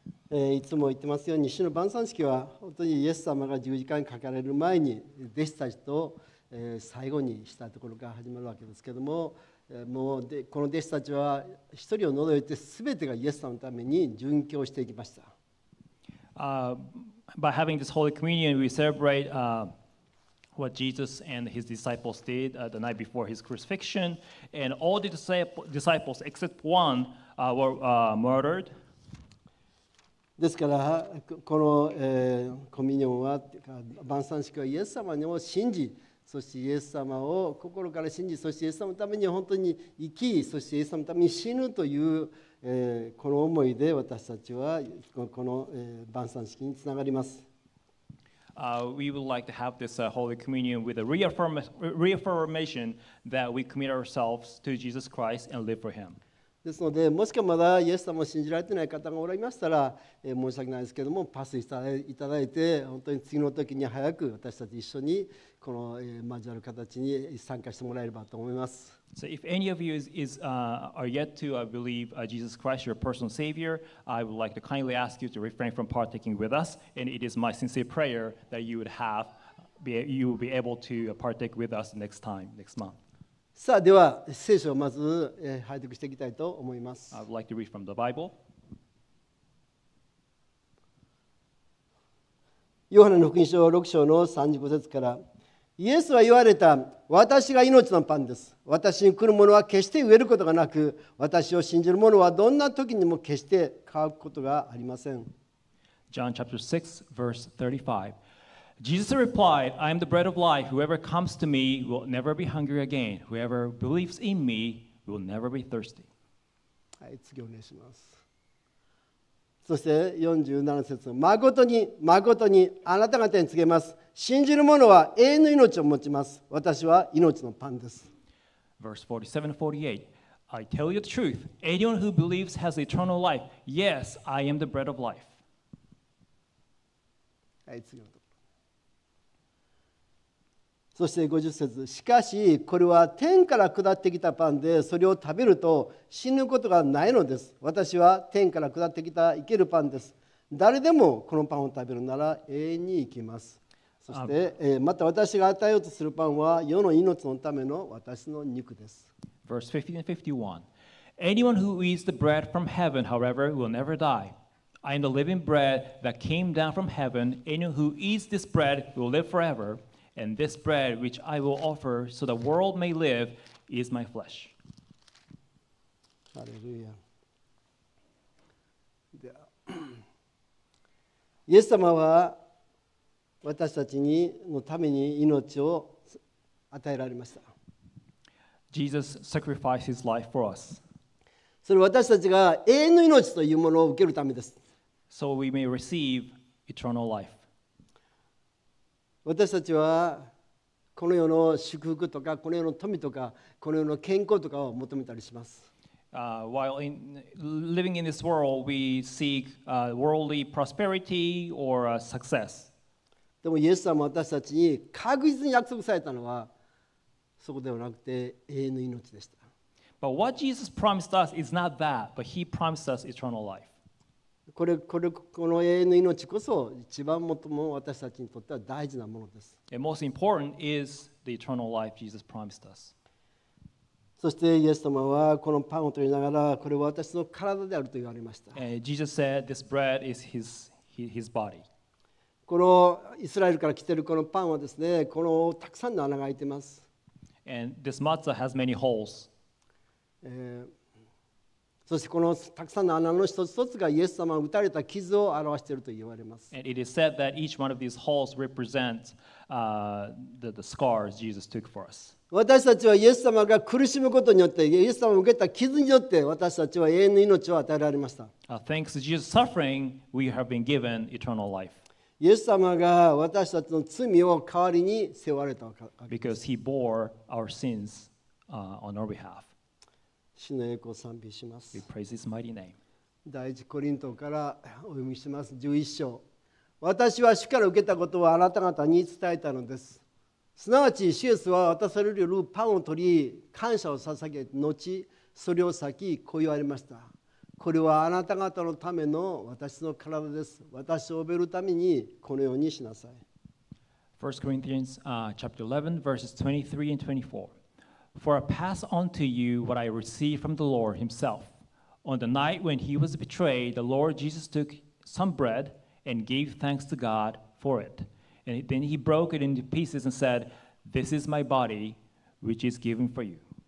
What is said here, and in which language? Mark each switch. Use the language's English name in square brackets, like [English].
[Japanese] いつも言ってますように、主の晩餐式は本当にイエス様が十字架にかかれる前に弟子たちと最後にしたところから始まるわけですけれども、もうこの弟子たちは一人を除いて全てがイエス様のために殉教していきました。 [English] By having this Holy Communion, we celebrate what Jesus and his disciples did the night before his crucifixion, and all the disciples except one were murdered. [Japanese] ですからこの、コミュニオンは晩餐式はイエス様にも信じ、そしてイエス様を心から信じ、そしてイエス様のために本当に生き、そしてイエス様のために死ぬという、この思いで私たちはこの、晩餐式につながります。 [English] We would like to have this Holy Communion with a reaffirmation that we commit ourselves to Jesus Christ and live for him. [Japanese] ですので、もしかまだイエス様を信じられていない方がおられましたら、申し訳ないですけれども、パスいただいて、本当に次の時に早く私たち一緒にこの、交わる形に参加してもらえればと思います。 [English] So if any of you are yet to believe Jesus Christ, your personal Savior, I would like to kindly ask you to refrain from partaking with us, and it is my sincere prayer that you would have, you will be able to partake with us next time, next month. [Japanese] さあ、では聖書をまず拝読していきたいと思います。 [English] I would like to read from the Bible. [Japanese] ヨハネの福音書6章の35節から、イエスは言われた、私が命のパンです。私に来る者は決して飢えることがなく、私を信じる者はどんな時にも決して渇くことがありません。 [English] John chapter 6, verse 35. Jesus replied, I am the bread of life. Whoever comes to me will never be hungry again. Whoever believes in me will never be thirsty. [Japanese] はい、次お願いします。そして47節、まことにまことにあなた方に告げます。信じる者は永遠の命を持ちます。私は命のパンです。 [English] Verse 47-48, I tell you the truth. Anyone who believes has eternal life. Yes, I am the bread of life. [Japanese] はい、次お願いします。そして50節、しかしこれは天から下ってきたパンで、それを食べると死ぬことがないのです。私は天から下ってきた生けるパンです。誰でもこのパンを食べるなら永遠に生きます。そして、また私が与えようとするパンは世の命のための私の肉です。 [English] Verse 50 and 51. Anyone who eats the bread from heaven, however, will never die. I am the living bread that came down from heaven. Anyone who eats this bread will live forever. And this bread which I will offer so the world may live is my flesh. Hallelujah. [Japanese] イエス様は私たちのために命を与えられました。 [English] Jesus sacrificed his life for us. [Japanese] それは私たちが永遠の命というものを受けるためです。 [English] So we may receive eternal life. [Japanese] 私たちはこの世の祝福とか、この世の富とか、この世の健康とかを求めたりします。 [English] While in, living in this world, we seek worldly prosperity or success. [Japanese] でもイエス様は私たちに確実に約束されたのは、そこではなくて永遠の命でした。 [English] But what Jesus promised us is not that, but he promised us eternal life. [Japanese] この永遠の命こそ一番最も私たちにとっては大事なものです。 [English] And most important is the eternal life Jesus promised us. [Japanese] そしてイエス様はこのパンを取りながら、これは私の体であると言われました。 [English] Jesus said, this bread is his body. [Japanese] このイスラエルから来ているこのパンはですね、このたくさんの穴が開いています。 [English] And this matzah has many holes. [Japanese] そしてこのたくさんの穴の一つ一つがイエス様が打たれた傷を表していると言われます。 [English] And it is said that each one of these holes represents the scars Jesus took for us. [Japanese] 私たちはイエス様が苦しむことによって、イエス様が受けた傷によって、私たちは永遠の命を与えられました。 [English] Thanks to Jesus' suffering, we have been given eternal life. [Japanese] イエス様が私たちの罪を代わりに背負われたわけです。 [English] Because he bore our sins, on our behalf. [Japanese] 主の栄光を賛美します。 [English] We praise his mighty name. [Japanese] 第一コリントからお読みします。11章。私は主から受けたことをあなた方に伝えたのです。すなわち、主イエスは渡されるパンを取り、感謝を捧げ、後、それを裂き、こう言われました。これはあなた方のための私の体です。私を覚えるためにこのようにしなさい。 [English] 1 Corinthians chapter 11, verses 23 and 24. For I pass on to you what I received from the Lord himself. On the night when he was betrayed, the Lord Jesus took some bread and gave thanks to God for it. And then he broke it into pieces and said, This is my body, which is given for you.